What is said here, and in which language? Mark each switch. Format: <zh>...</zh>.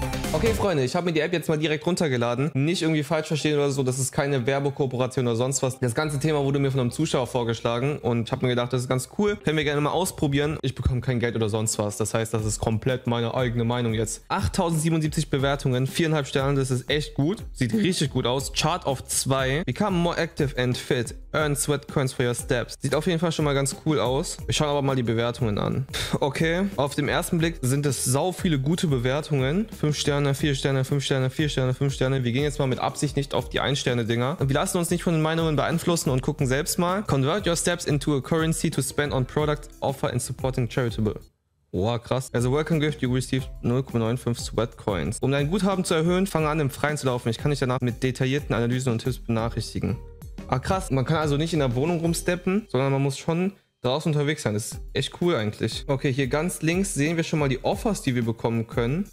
<de>Okay, Freunde, ich habe mir die App jetzt mal direkt runtergeladen. Nicht irgendwie falsch verstehen oder so, das ist keine Werbekooperation oder sonst was. Das ganze Thema wurde mir von einem Zuschauer vorgeschlagen und ich habe mir gedacht, das ist ganz cool. Können wir gerne mal ausprobieren. Ich bekomme kein Geld oder sonst was. Das heißt, das ist komplett meine eigene Meinung jetzt. 8077 Bewertungen, 4,5 Sterne, das ist echt gut. Sieht richtig gut aus.</de> <en>Chart of 2. Become more active and fit. Earn sweat coins for your steps.</en> <de>Sieht auf jeden Fall schon mal ganz cool aus. Wir schauen aber mal die Bewertungen an. Okay, auf dem ersten Blick sind es sau viele gute Bewertungen. 5 Sterne. 4 Sterne, 5 Sterne, 4 Sterne, 5 Sterne. Wir gehen jetzt mal mit Absicht nicht auf die 1-Sterne-Dinger. Und wir lassen uns nicht von den Meinungen beeinflussen und gucken selbst mal.</de> <en>Convert your steps into a currency to spend on product offer and supporting charitable.</en> <de>Boah, krass.</de> <en>As a welcome gift, you receive 0,95 Sweat Coins.</en> <de>Um dein Guthaben zu erhöhen, fange an, im Freien zu laufen. Ich kann dich danach mit detaillierten Analysen und Tipps benachrichtigen. Ah, krass. Man kann also nicht in der Wohnung rumsteppen, sondern man muss schon draußen unterwegs sein. Das ist echt cool eigentlich. Okay, hier ganz links sehen wir schon mal die Offers, die wir bekommen können.</de>